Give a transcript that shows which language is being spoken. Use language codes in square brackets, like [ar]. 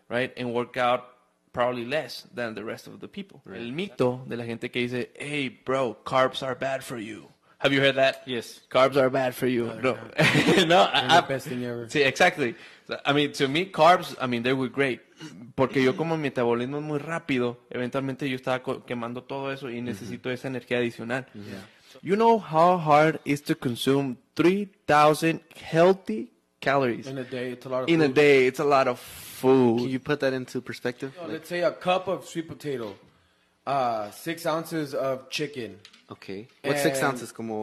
[en] Right? And work out probably less than the rest of the people. Right. [es] El mito de la gente que dice, [en] hey, bro, carbs are bad for you. Have you heard that? Yes. Carbs are bad for you. No. No. Best thing ever. See, exactly. I mean, to me, carbs, I mean, they were great. [es] Porque yo como mi metabolismo es muy rápido, eventualmente yo estaba quemando todo eso y necesito esa energía adicional. [en] Yeah. You know how hard it is to consume 3,000 healthy calories? In a day, it's a lot of food. In a day, it's a lot of food. Can you put that into perspective? You know, let's say a cup of sweet potato, 6 ounces of chicken. Okay. What's 6 ounces? Como?